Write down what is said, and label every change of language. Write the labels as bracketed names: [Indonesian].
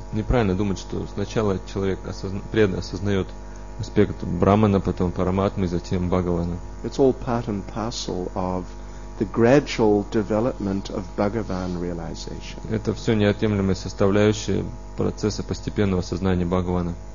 [Russian] Неправильно думать, что сначала человек преданно осознает аспект Брахмана, потом Параматмы, затем Бхагавана. [English] It's all part and parcel of the gradual development of Bhagavan realization. [Russian] Это все неотъемлемая составляющая процесса постепенного осознания Бхагавана.